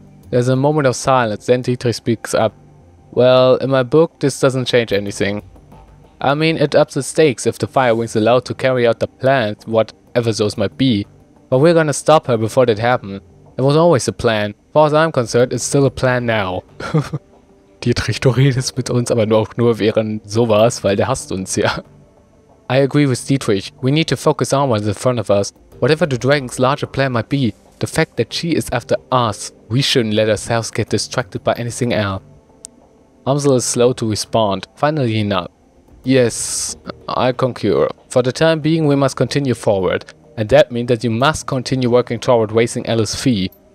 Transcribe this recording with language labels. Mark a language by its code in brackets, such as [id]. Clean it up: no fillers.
[en] There's a moment of silence, then Dietrich speaks up. Well, in my book, this doesn't change anything. I mean, it ups the stakes if the Firewing's allowed to carry out the plans, whatever those might be. But we're gonna stop her before that happens. It was always a plan. As far as I'm concerned, it's still a plan now. [de] Dietrich, du redest mit uns, aber nur auch nur während sowas, weil der hasst uns ja. [en] I agree with Dietrich. We need to focus on what's in front of us. Whatever the dragon's larger plan might be, the fact that she is after us, we shouldn't let ourselves get distracted by anything else. Amsel is slow to respond. Finally enough. Yes, I concur. For the time being, we must continue forward. And that means that you must continue working toward raising Ella's fee.